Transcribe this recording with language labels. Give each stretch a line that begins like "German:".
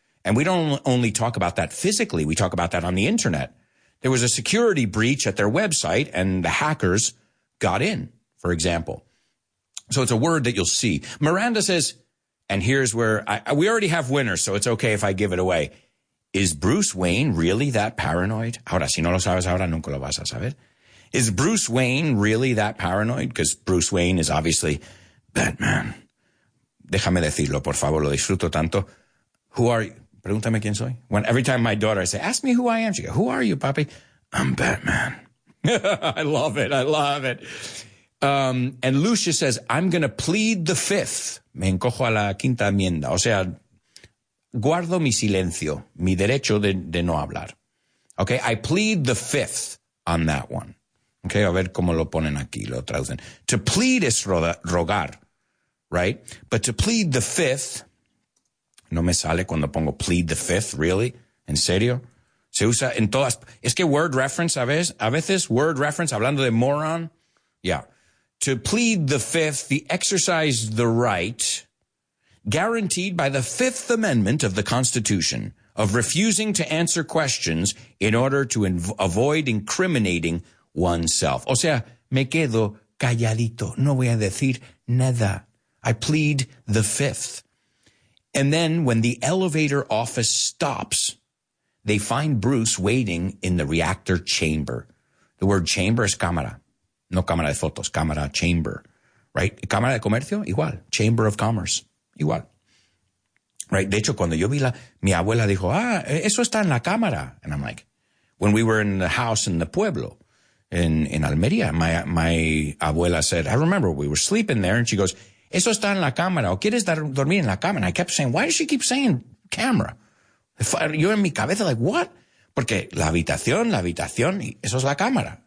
English: And we don't only talk about that physically. We talk about that on the internet. There was a security breach at their website, and the hackers got in, for example. So it's a word that you'll see. Miranda says, and here's where we already have winners, so it's okay if I give it away. Is Bruce Wayne really that paranoid?
Spanish: Ahora, si no lo sabes ahora, nunca lo vas a saber.
English: Is Bruce Wayne really that paranoid? Because Bruce Wayne is obviously Batman.
Spanish: Déjame decirlo, por favor, lo disfruto tanto.
English: Who are you?
Spanish: Pregúntame quién soy.
English: Every time my daughter, I say, ask me who I am. She goes, who are you, papi? I'm Batman. I love it. I love it. And Lucia says, I'm going to plead the fifth.
Spanish: Me encojo a la quinta enmienda. O sea, guardo mi silencio, mi derecho de no hablar.
English: Okay, I plead the fifth on that one.
Spanish: Okay, a ver cómo lo ponen aquí, lo traducen. To plead es rogar, right?
English: But to plead the fifth,
Spanish: no me sale cuando pongo plead the fifth,
English: really?
Spanish: ¿En serio? Se usa en todas. Es que word reference, ¿sabes? A veces word reference, hablando de moron. Yeah.
English: To plead the fifth, the exercise the right guaranteed by the Fifth Amendment of the Constitution of refusing to answer questions in order to avoid incriminating oneself.
Spanish: O sea, me quedo calladito. No voy a decir nada.
English: I plead the fifth. And then when the elevator office stops, they find Bruce waiting in the reactor chamber. The word chamber is cámara.
Spanish: No cámara de fotos, cámara,
English: chamber. Right?
Spanish: Cámara de comercio, igual. Chamber of Commerce, igual. Right? De hecho, cuando yo vi la... Mi abuela dijo, ah, eso está en la cámara.
English: And I'm like, when we were in the house in the pueblo, in Almería, my abuela said, I remember we were sleeping there, and she goes,
Spanish: eso está en la cámara. ¿O quieres dormir en la cámara?
English: And I kept saying, why does she keep saying camera?
Spanish: Yo en mi cabeza,
English: like, what?
Spanish: Porque la habitación, eso es la cámara.